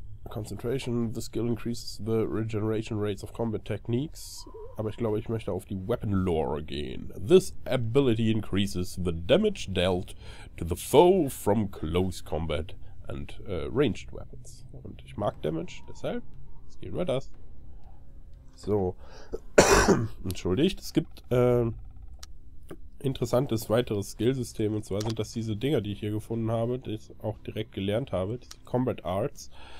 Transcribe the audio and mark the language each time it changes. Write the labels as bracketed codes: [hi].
[en] Concentration, the skill increases the regeneration rates of combat techniques. [de] Aber ich glaube, ich möchte auf die Weapon Lore gehen. [en] This ability increases the damage dealt to the foe from close combat and ranged weapons. [de] Und ich mag Damage, deshalb gehen wir das. So. Entschuldigt, es gibt interessantes weiteres Skillsystem. Und zwar sind das diese Dinger, die ich hier gefunden habe, die ich auch direkt gelernt habe, diese Combat Arts.